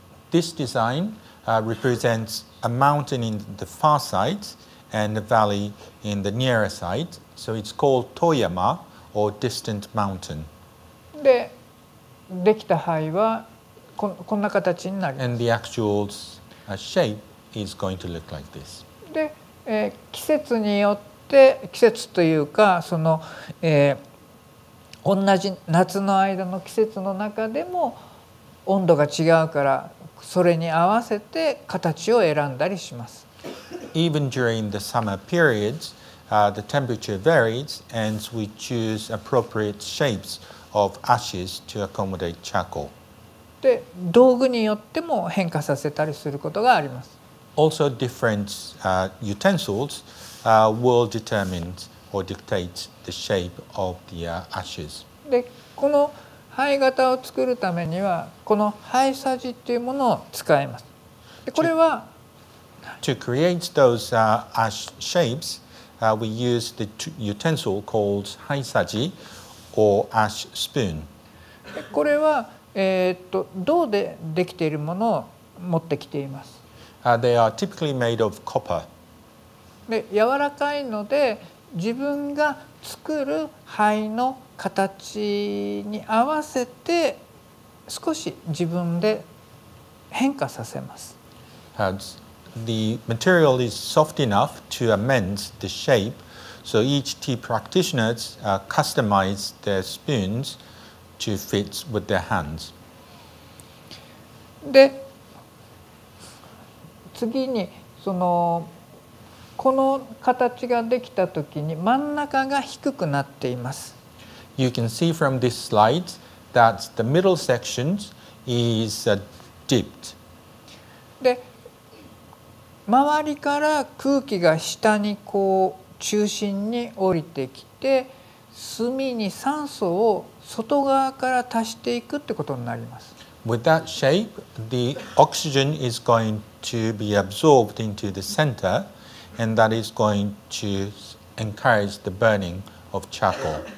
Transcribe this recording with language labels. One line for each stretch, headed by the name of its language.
English: This design represents a mountain in the far side and a valley in the nearer side, so it's called Toyama or distant mountain.
Japanese: で、できた灰はこんな形になります。
English: And the actual shape is going to look like this.
Japanese: で、季節によってで季節というかその、同じ夏の間の季節の中でも温度が違うからそれに合わせて形を選んだりします。
English: Even during the summer periods, the temperature varies and we choose appropriate shapes of ashes to accommodate charcoal.
Japanese: で道具によっても変化させたりすることがあります。
English: Also different utensils. Will determine or dictate the shape of the ashes.
Japanese: で、この灰型を作るためにはこの灰さじっていうものを使います。で、これは
English: to create those ash shapes, we use the utensil called 灰さじ or ash spoon.
Japanese: で、これは銅でできているものを持ってきています。
English: They are typically made of copper.
Japanese: で柔らかいので自分が作る灰の形に合わせて少し自分で変化させます。
English: The material is soft enough to amend the shape, so each tea practitioner customizes their spoons to fit with their hands.
Japanese: で次にそのこの形ができたときに真ん中が低くなっています。
English: You can see from this slide that the middle section is dipped.
Japanese: で、周りから空気が下にこう中心に降りてきて、炭に酸素を外側から足していくってことになります。
English: With that shape, the oxygen is going to be absorbed into the center. And that is going to encourage the burning of charcoal.